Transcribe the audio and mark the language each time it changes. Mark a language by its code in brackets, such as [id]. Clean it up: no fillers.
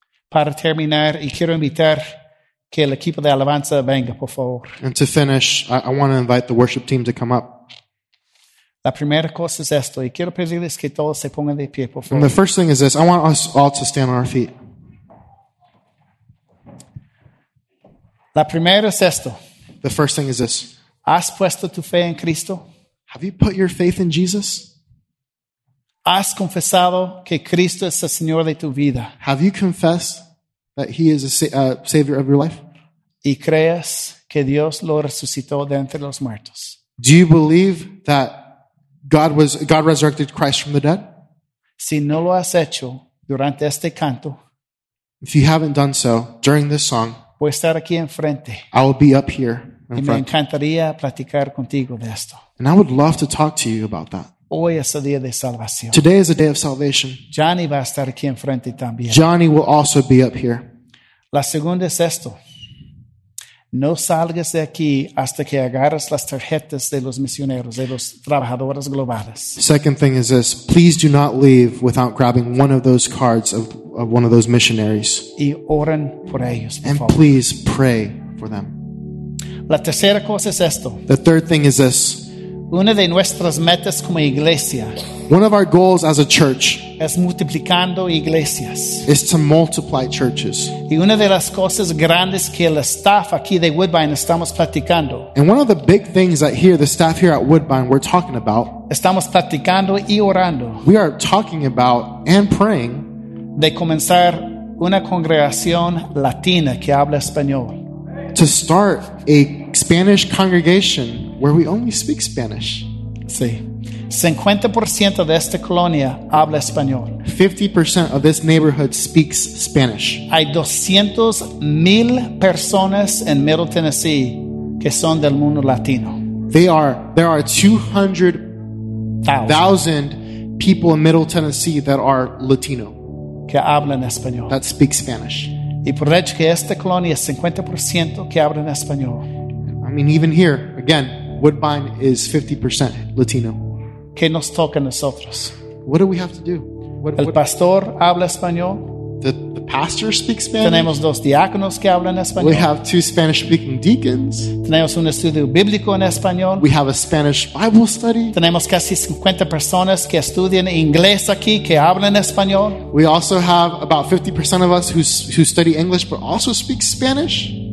[es] Para terminar, y quiero invitar que el equipo de alabanza venga, por favor. [en] And to finish, I want to invite the worship team to come up. [es] La primera cosa es esto, y quiero pedirles que todos se pongan de pie, por favor. [en] And the first thing is this, I want us all to stand on our feet. [es] La primera es esto. [en] The first thing is this. [es] ¿Has puesto tu fe en Cristo? [en] Have you put your faith in Jesus? [es] ¿Has confesado que Cristo es el Señor de tu vida? [en] Have you confessed that he is a savior of your life? [es] ¿Y crees que Dios lo resucitó de entre los muertos? [en] Do you believe that God resurrected Christ from the dead? [es] Si no lo has hecho durante este canto, [en] if you haven't done so during this song, [es] voy a estar aquí enfrente. [en] I will be up here in [es] y [en] front. [es] Me encantaría platicar contigo de esto. [en] And I would love to talk to you about that. [es] Hoy es el día de salvación. [en] Today is a day of salvation. [es] Johnny va a estar aquí enfrente también. [en] Johnny will also be up here. [es] La segunda es esto. No salgas de aquí hasta que agarres las tarjetas de los misioneros, de los trabajadores globales. [en] Second thing is this, please do not leave without grabbing one of those cards of one of those missionaries. [es] Y oren por ellos, por [en] and [es] favor. [en] Please pray for them. [es] La tercera cosa es esto. [en] The third thing is this. [es] Una de nuestras metas como iglesia. [en] One of our goals as a church [es] es multiplicando iglesias. [en] Is to multiply churches. [es] Y una de las cosas grandes que el staff aquí de Woodbine estamos platicando. [en] And one of the big things that here the staff here at Woodbine we're talking about. [es] Estamos platicando y orando. [en] We are talking about and praying [es] de comenzar una congregación latina que habla español. [en] To start a Spanish congregation where we only speak Spanish. [es] Sí. 50% de esta colonia habla español. [en] 50% of this neighborhood speaks Spanish. [es] Hay 200,000 personas en Middle Tennessee que son del mundo latino. [en] There are 200,000 people in Middle Tennessee that are Latino. [es] Que hablan español. [en] That speak Spanish. [es] Y por hecho que esta colonia es 50% que habla en español. [en] I mean, even here, again, Woodbine is 50% Latino. [es] ¿Qué nos toca a nosotros? [en] What do we have to do? [es] El pastor habla español. [en] The pastor speaks Spanish. [es] Tenemos dos diáconos que hablan español. [en] We have two Spanish-speaking deacons. [es] Tenemos un estudio bíblico en español. [en] We have a Spanish Bible study. [es] Tenemos casi 50 personas que estudian inglés aquí que hablan español. [en] We also have about 50% of us who study English but also speak Spanish.